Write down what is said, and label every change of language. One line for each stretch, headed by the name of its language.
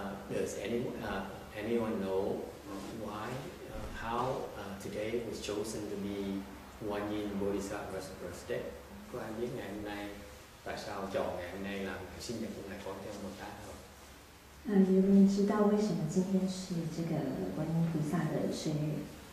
English: Does anyone know why, how today was chosen to be Wanyin Bodhisattva's birthday?
Vietnamese: Có ai biết ngày hôm nay tại sao chọn ngày hôm nay là sinh nhật của ngài Quan Thế Âm Bồ Tát không?
Chinese: 有人知道为什么今天是这个观音菩萨的生日？